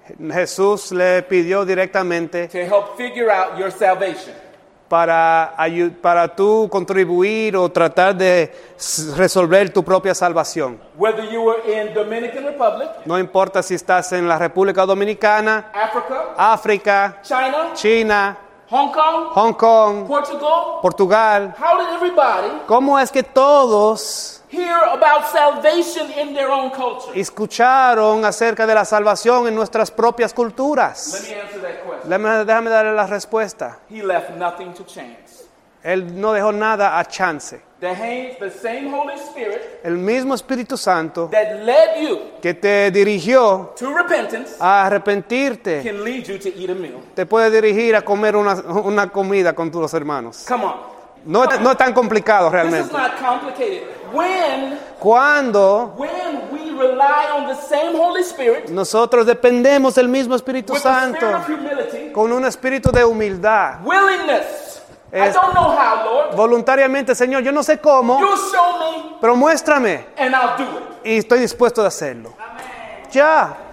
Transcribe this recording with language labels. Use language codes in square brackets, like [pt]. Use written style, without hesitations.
[es] Jesús le pidió directamente. [en] To help figure out your salvation. [es] Para tú contribuir o tratar de resolver tu propia salvación. [en] Whether you were in Dominican Republic, [es] no importa si estás en la República Dominicana, África, China, Hong Kong, Portugal. [en] How did everybody, [es] ¿cómo es que todos [en] hear about salvation in their own culture? [es] Escucharon acerca de la salvación en nuestras propias culturas? [en] Let me answer that question. [es] Déjame darle la respuesta. [en] He left nothing to chance. [es] Él no dejó nada a chance. [en] The same Holy Spirit, [es] el mismo Espíritu Santo, [en] that led you, [es] que te dirigió [en] to repentance, [es] a arrepentirte, [en] can lead you to eat a meal. [es] Te puede dirigir a comer una comida con tus hermanos. [en] Come on. [es] No es tan complicado realmente. [en] This is not complicated. [es] Cuando [en] we rely on the same Holy Spirit, [es] nosotros dependemos del mismo Espíritu [en] with [es] Santo [en] a spirit of humility, [es] con un espíritu de humildad. [en] Willingness. I don't know how, Lord. [es] Voluntariamente, Señor, yo no sé cómo. [en] You show me, [es] pero muéstrame. [en] And I'll do it. [es] Y estoy dispuesto a hacerlo. [en] Amen. [es] Ya.